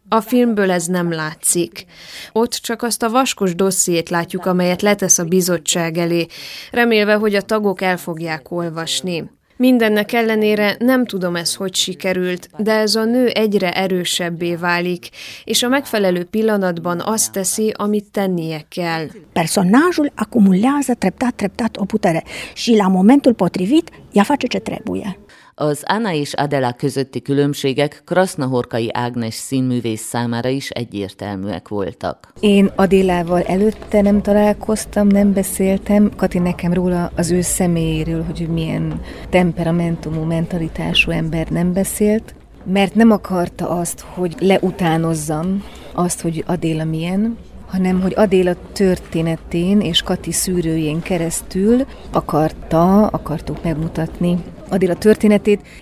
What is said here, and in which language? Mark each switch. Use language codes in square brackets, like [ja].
[hu] A filmből ez nem látszik. Ott csak azt a vaskos dossziét látjuk, amelyet letesz a bizottság elé, remélve, hogy a tagok el fogják olvasni. Mindennek ellenére nem tudom ez, hogy sikerült, de ez a nő egyre erősebbé válik, és a megfelelő pillanatban azt teszi, amit tennie kell. [ro] Personajul akumulează treptat o putere, și la momentul potrivit ea face ce trebuie. [hu] Az Anna és Adela közötti különbségek Krasznahorkai Ágnes színművész számára is egyértelműek voltak. Én Adélával előtte nem találkoztam, nem beszéltem. Kati nekem róla az ő személyéről, hogy milyen temperamentumú, mentalitású ember nem beszélt, mert nem akarta azt, hogy leutánozzam azt, hogy Adéla milyen, hanem hogy Adéla történetén és Kati szűrőjén keresztül akartuk megmutatni Adéla történetét,